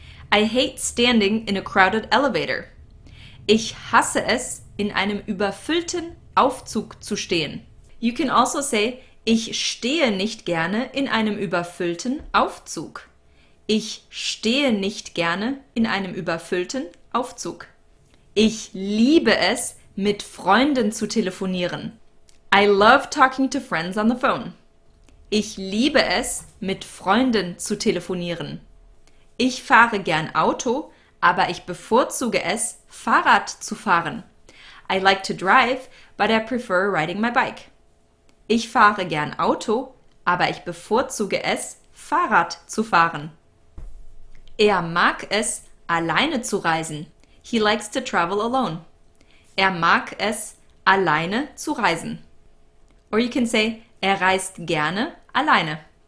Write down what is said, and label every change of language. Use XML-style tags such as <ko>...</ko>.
<en>I hate standing in a crowded elevator.</en> <de>Ich hasse es, in einem überfüllten Aufzug zu stehen.</de> <en>You can also say,</en> <de>ich stehe nicht gerne in einem überfüllten Aufzug. Ich stehe nicht gerne in einem überfüllten Aufzug. Ich liebe es, mit Freunden zu telefonieren.</de> <en>I love talking to friends on the phone.</en> <de>Ich liebe es, mit Freunden zu telefonieren. Ich fahre gern Auto, aber ich bevorzuge es, Fahrrad zu fahren.</de> <en>I like to drive, but I prefer riding my bike.</en> <de>Ich fahre gern Auto, aber ich bevorzuge es, Fahrrad zu fahren. Er mag es, alleine zu reisen.</de> <en>He likes to travel alone.</en> <de>Er mag es, alleine zu reisen.</de> <en>Or you can say,</en> <de>er reist gerne alleine.</de>